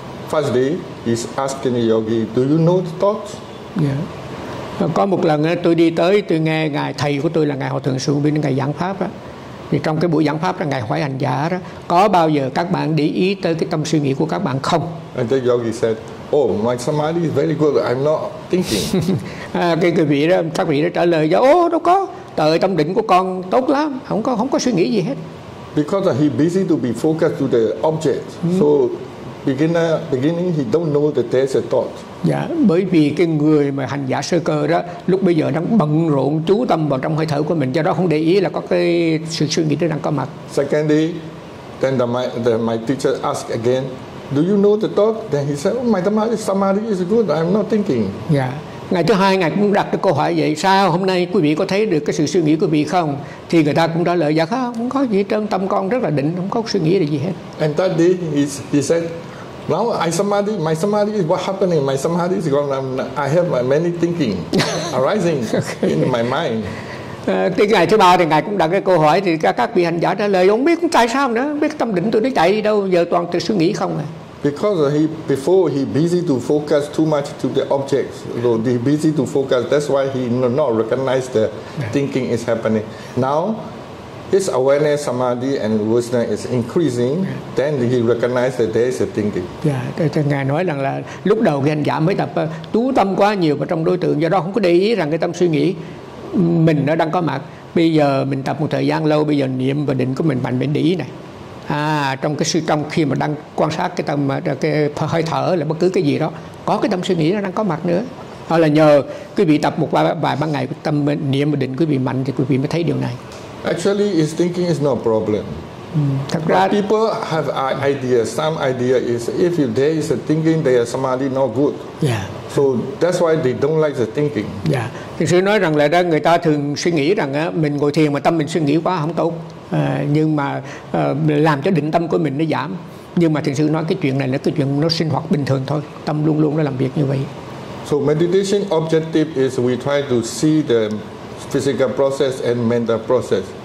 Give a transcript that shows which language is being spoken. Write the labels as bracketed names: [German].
[English] First day, he's asking the yogi, do you know the thoughts? [Vietnamese] Có một lần tôi đi tới, tôi nghe ngài thầy của tôi là ngài Hòa Thượng Sư Bên ngài giảng pháp á. Thì trong cái buổi giảng pháp là ngài hỏi hành giả đó, có bao giờ các bạn để ý tới cái tâm suy nghĩ của các bạn không? [English] And the yogi said, oh, my samadhi is very good, I'm not thinking. [Vietnamese] Cái người vị đó, các vị đó trả lời cho, oh, đâu có, tới tâm định của con tốt lắm, không có suy nghĩ gì hết. [English] Because he busy to be focused to the object, so beginning he don't know the there's a thought. [Vietnamese] Bởi vì cái người mà hành giả sơ cơ đó lúc bây giờ đang bận rộn chú tâm vào trong hơi thở của mình, do đó không để ý là có cái sự suy nghĩ nó đang có mặt. [English] Secondly, then my teacher asked again, do you know the thought? Then he said, oh, my Dhammari samadhi is good, I'm not thinking. [Vietnamese] Ngày thứ hai ngài cũng đặt cái câu hỏi vậy, sao hôm nay quý vị có thấy được cái sự suy nghĩ của quý vị không? Thì người ta cũng trả lời, dạ không có gì, trong tâm con rất là định, không có suy nghĩ gì hết. [English] And that day he said, now my samadhi is what happening, my samadhi is gone, I have many thinking arising okay. In my mind. [Vietnamese] Cái ngày thứ ba thì ngài cũng đặt cái câu hỏi, thì các vị hành giả trả lời, không biết tại sao nữa, biết tâm định tôi nó chạy đi đâu, giờ toàn tự suy nghĩ không à. [English] Because he busy to focus too much to the objects, so he busy to focus, that's why he not recognize the thinking is happening. Now his awareness, samadhi and wisdom is increasing, then he recognize that there is a thinking. [Vietnamese] Ngài nói rằng là lúc đầu khi hành giả mới tập chú tâm quá nhiều vào trong đối tượng, do đó không có để ý rằng cái tâm suy nghĩ mình nó đang có mặt. Bây giờ mình tập một thời gian lâu, bây giờ niệm và định của mình mạnh, mình để ý này. Trong cái sự trong khi mà đang quan sát cái tâm, cái hơi thở là bất cứ cái gì đó, có cái tâm suy nghĩ nó đang có mặt nữa. Hoặc là nhờ quý vị tập một vài ba ngày tâm niệm và định quý vị mạnh thì quý vị mới thấy điều này. [English] Actually, is thinking is no problem. [Vietnamese] Thật ra, [English] but people have idea. Some idea is if there is a thinking, there is somebody not good. So that's why they don't like the thinking. [Vietnamese] Thì sư nói rằng là đó, người ta thường suy nghĩ rằng á, mình ngồi thiền mà tâm mình suy nghĩ quá không tốt. Nhưng mà làm cho định tâm của mình nó giảm. Nhưng mà thiền sư nói cái chuyện này là cái chuyện nó sinh hoạt bình thường thôi. Tâm luôn luôn nó làm việc như vậy. [English] So meditation objective is we try to see the physical process and mental process.